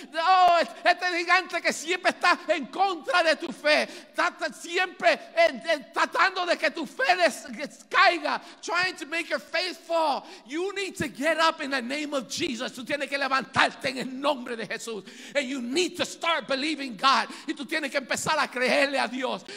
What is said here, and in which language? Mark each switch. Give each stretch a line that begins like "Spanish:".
Spanish: Oh, este gigante que siempre está en contra de tu fe. Está siempre tratando de que tu fe caiga.
English: Trying to make your faith fall. You need to get up in the name of Jesus.
Spanish: Tú tienes que levantarte en el nombre de Jesús. And you need to start believing God. Y tú tienes que empezar a creerle a Dios.